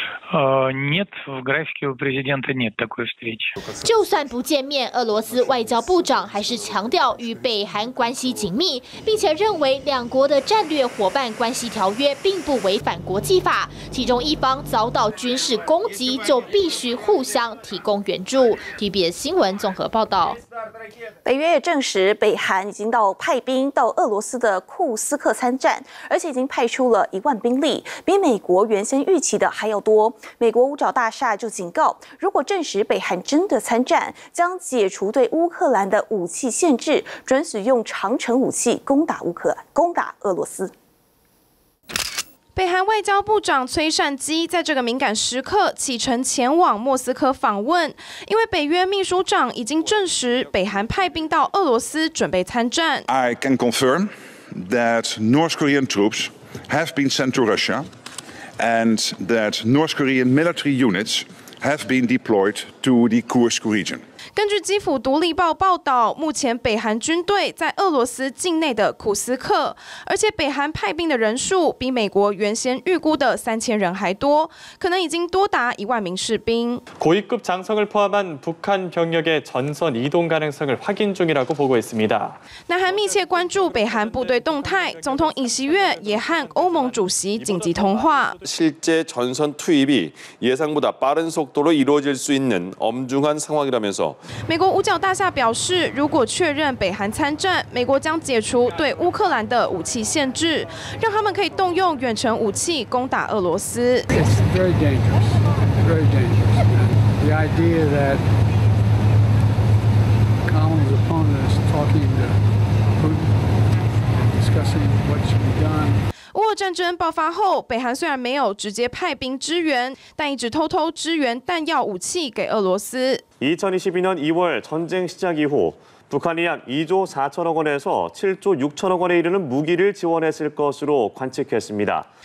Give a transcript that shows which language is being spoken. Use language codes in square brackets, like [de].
[ru] Нет, в графике у президента нет такой встречи. [zh] 就算不见面，俄罗斯外交部长还是强调与北韩关系紧密，并且认为两国的战略伙伴关系条约并不违反国际法，其中一方遭到军事攻击就必须互相提供援助。 TVBS新闻综合报道。北约也证实，北韩已经到派兵到俄罗斯的库斯克参战，而且已经派出了10000兵力，比美国原先预期的还要多。美国五角大厦就警告，如果证实北韩真的参战，将解除对乌克兰的武器限制，准许用长程武器攻打乌克兰，攻打俄罗斯。北韩外交部长崔善姬在这个敏感时刻启程前往莫斯科访问，因为北约秘书长已经证实北韩派兵到俄罗斯准备参战。 [en] I can confirm that North Korean troops have been sent to Russia. And that North Korean military units have been deployed to the Kursk region. [zh] 根据基辅独立报报道，目前北韩军队在俄罗斯境内的库斯克，而且北韩派兵的人数比美国原先预估的3000人还多，可能已经多达10000名士兵。 [ko] 고위급장성을포함한북한병력의전선이동가능성을확인중이라고보고있습니다。 [zh] 南韩密切关注北韩部队动态，总统尹锡悦也和欧盟主席紧急通话。 [ko] 실제전선투입이예상보다빠른속도로이루어질수있는엄중한상황이라면서 [zh] 美国五角大厦表示，如果确认北韩参战，美国将解除对乌克兰的武器限制，让他们可以动用远程武器攻打俄罗斯。 [en] It's very dangerous. Very dangerous. The idea that Colin's opponent is talking to Putin, discussing what should be done. [zh] 乌俄战争爆发后，北韩虽然没有直接派兵支援，但一直偷偷支援弹药武器给俄罗斯。 [ko] 2022년2월전쟁시작이후북한이약2조4천억원에서7조6천억원에이르는무기를지원했을것으로관측했습니다。